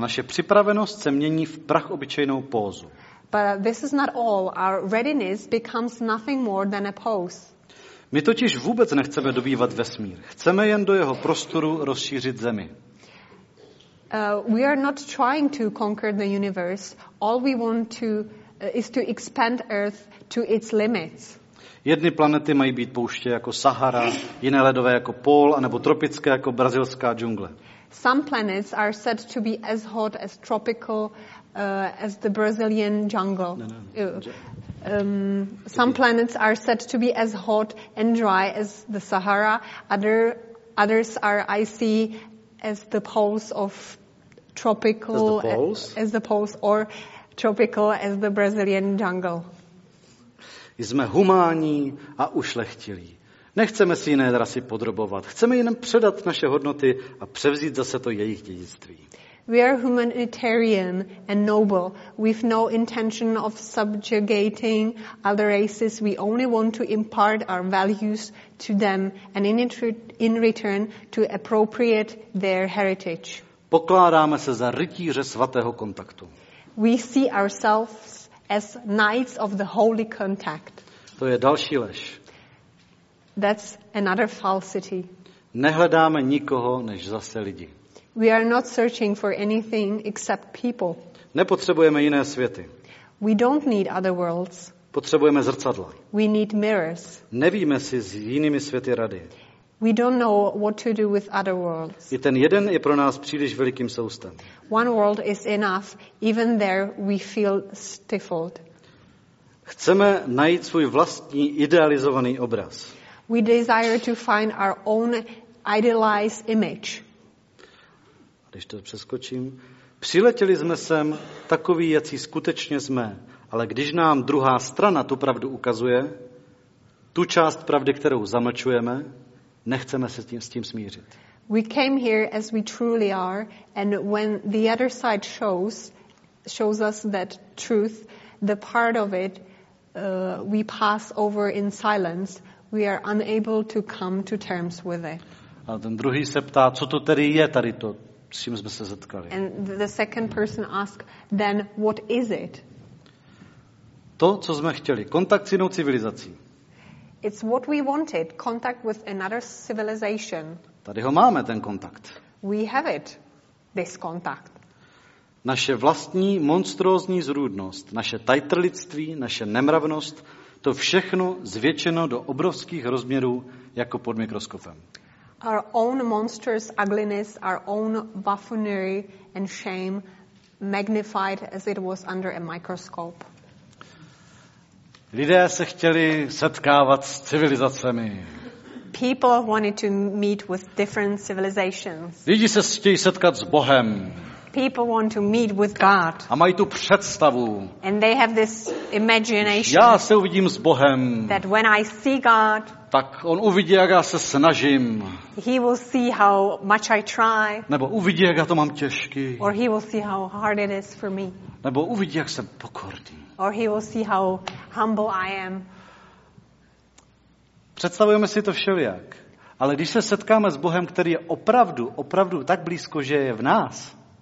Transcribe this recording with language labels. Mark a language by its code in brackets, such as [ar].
[cs] Naše připravenost se mění v prach obyčejnou pózu. [en] But this is not all. Our readiness becomes nothing more than a pose. [cs] My totiž vůbec nechceme dobývat vesmír. Chceme jen do jeho prostoru rozšířit zemi. [en] We are not trying to conquer the universe. All we want to is to expand Earth to its limits. [cs] Jedny planety mají být pouště jako Sahara, jiné ledové jako pól, anebo tropické jako brazilská džungle. [en] Some planets are said to be as hot as tropical as the Brazilian jungle. No. Some planets are said to be as hot and dry as the Sahara. Others are icy as the poles of tropical as the poles, as the poles, or tropical as the Brazilian jungle. [cs] Jsme humánní a ušlechtilí. Nechceme si jiné rasy podrobovat. Chceme jenom předat naše hodnoty a převzít zase to jejich dědictví. [en] We are humanitarian and noble. We've no intention of subjugating other races. We only want to impart our values to them and in return to appropriate their heritage. [cs] Pokládáme se za rytíře svatého kontaktu. [en] We see ourselves as knights of the holy contact. [cs] To je další lež. [en] That's another falsity. [cs] Nehledáme nikoho než zase lidi. [en] We are not searching for anything except people. [cs] Nepotřebujeme jiné světy. [en] We don't need other worlds. [cs] Potřebujeme zrcadla. [en] We need mirrors. [cs] Nevíme si s jinými světy rady. [en] We don't know what to do with other worlds. [cs] I ten jeden je pro nás příliš velikým soustem. [en] One world is enough, even there we feel stifled. [cs] Chceme najít svůj vlastní idealizovaný obraz. [en] We desire to find our own idealized image. [cs] Když to přeskočím. Přiletěli jsme sem takový, jací skutečně jsme, ale když nám druhá strana tu pravdu ukazuje, tu část pravdy, kterou zamlčujeme, nechceme se s tím smířit. [en] We came here as we truly are, and when the other side shows us that truth, the part of it we pass over in silence, we are unable to come to terms with it. [cs] A ten druhý se ptá, co to tedy je tady to, s čím jsme se setkali. [en] And the second person asks, then what is it? [cs] To, co jsme chtěli, kontakt s jinou civilizací. [en] It's what we wanted, contact with another civilization. [cs] Tady ho máme, ten kontakt. [en] We have it, this contact. [cs] Naše vlastní monstrózní zrůdnost, naše tajtrlictví, naše nemravnost, to všechno zvětšeno do obrovských rozměrů jako pod mikroskopem. [en] Our own monstrous ugliness, our own buffoonery and shame magnified as it was under a microscope. [cs] Lidé se chtěli setkávat s civilizacemi. [en] People wanted to meet with different civilizations. [cs] Lidi se chtějí setkat s Bohem. [en] People want to meet with God. [cs] A mají tu představu. [en] And they have this imagination. [cs] Já se uvidím s Bohem. [en] That when I see God. [cs] Tak on uvidí, jak já se snažím. [en] He will see how much I try. [cs] Nebo uvidí, jak já to mám těžký. [en] Or he will see how hard it is for me. [cs] Nebo uvidí, jak jsem pokorný. [en] Or he will see how humble I am. [cs] Představujeme si to všelijak. Ale když se setkáme s Bohem, který je opravdu, opravdu tak blízko, že je v nás.